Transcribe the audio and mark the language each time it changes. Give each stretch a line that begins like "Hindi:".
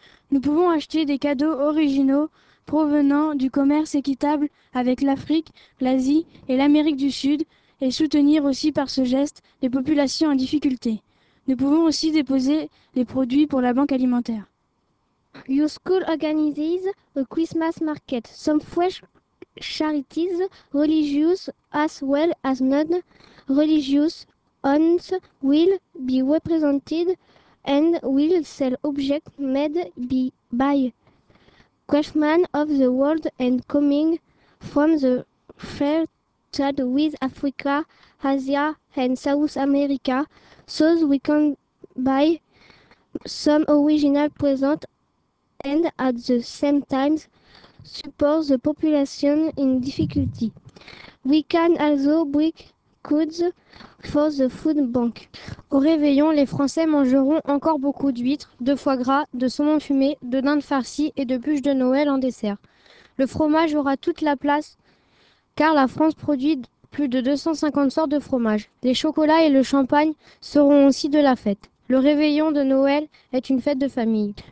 French: Nous pouvons acheter des cadeaux originaux provenant du commerce équitable avec l'Afrique, l'Asie et l'Amérique du Sud et soutenir aussi par ce geste les populations en difficulté. Nous pouvons aussi déposer les produits pour la Banque alimentaire.
English: Your school organizes a Christmas market. Some fresh charities, religious as well as non-religious ones, will be represented and will sell objects made by craftsmen of the world and coming from the fair trade with Africa, Asia and South America, so we can buy some original presents and at the same time support the population in difficulty. We can also bring goods for the food bank.
French: Au réveillon, les Français mangeront encore beaucoup d'huîtres, de foie gras, de saumon fumé, de dinde farcie et de bûches de Noël en dessert. Le fromage aura toute la place car la France produit plus de 250 sortes de fromages. Les chocolats et le champagne seront aussi de la fête. Le réveillon de Noël est une fête de famille.